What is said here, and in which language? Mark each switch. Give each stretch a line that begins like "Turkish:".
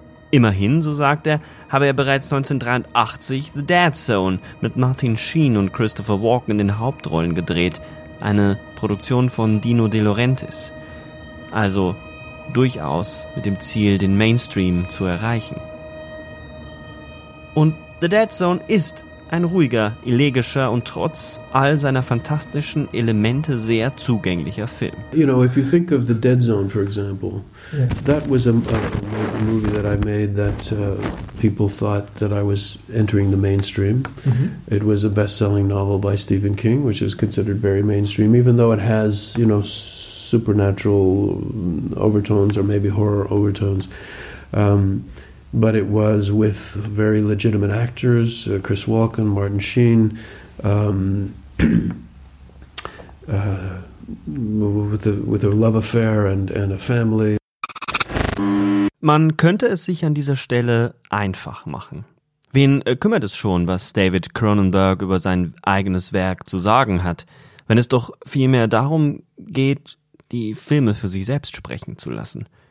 German: Immerhin, so sagt er, habe er bereits 1983 The Dead Zone mit Martin Sheen und Christopher Walken in den Hauptrollen gedreht, eine Produktion von Dino De Laurentiis. Also durchaus mit dem Ziel, den Mainstream zu erreichen. Und The Dead Zone ist ein ruhiger, elegischer und trotz all seiner fantastischen Elemente sehr zugänglicher Film.
English: You know, if you think of The Dead Zone, for example, yeah. That was a movie that I made that people thought that I was entering the mainstream. Mm-hmm. It was a best-selling novel by Stephen King, which is considered very mainstream, even though it has, you know, supernatural overtones or maybe horror overtones. But it was with very legitimate actors, Chris Walken, Martin Sheen, with a love affair and a family.
German: Man könnte es sich an dieser Stelle einfach machen. Wen kümmert es schon, was David Cronenberg über sein eigenes Werk zu sagen hat, wenn es doch vielmehr darum geht, die Filme für sich selbst sprechen zu lassen?